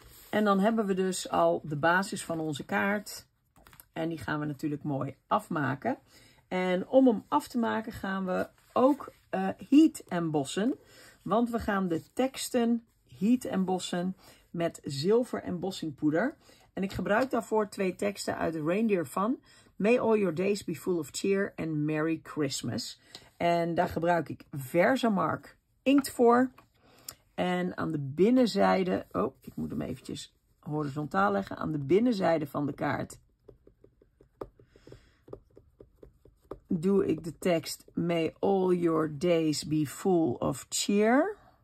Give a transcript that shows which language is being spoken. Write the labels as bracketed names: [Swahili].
[Dutch] En dan hebben we dus al de basis van onze kaart. En die gaan we natuurlijk mooi afmaken. En om hem af te maken gaan we ook heat embossen. Want we gaan de teksten heat embossen met zilver embossingpoeder. En ik gebruik daarvoor twee teksten uit de Reindeer Fun. [English] May all your days be full of cheer and Merry Christmas. [Dutch] En daar gebruik ik Versamark inkt voor. En aan de binnenzijde, ik moet hem eventjes horizontaal leggen. Aan de binnenzijde van de kaart doe ik de tekst [English] May all your days be full of cheer.